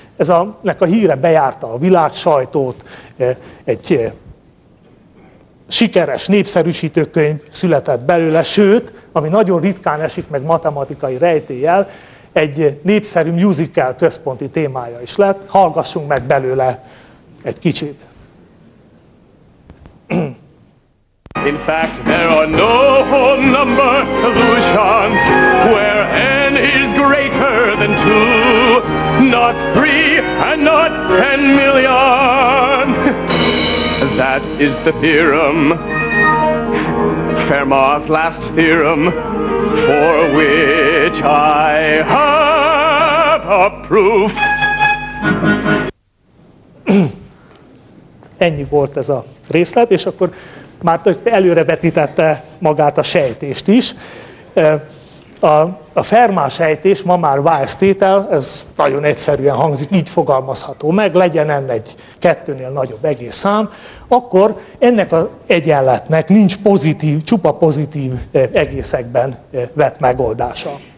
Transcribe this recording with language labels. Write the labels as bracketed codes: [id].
[hu] Ennek a híre bejárta a világ sajtót, egy sikeres népszerűsítőkönyv született belőle, sőt, ami nagyon ritkán esik meg matematikai rejtéllyel, egy népszerű musical központi témája is lett. Hallgassunk meg belőle egy kicsit. [en] In fact, there are no whole number solutions where n is greater than 2, not 3 and not 10 million. That is the theorem, Fermat's last theorem, for which I have a proof. [hu] Ennyi volt ez a részlet, és akkor már előrevetítette magát a sejtést is. A Fermat sejtés, ma már Wiles tétel, ez nagyon egyszerűen hangzik, így fogalmazható meg, legyen ennek egy kettőnél nagyobb egész szám, akkor ennek az egyenletnek nincs pozitív, csupa pozitív egészekben vett megoldása.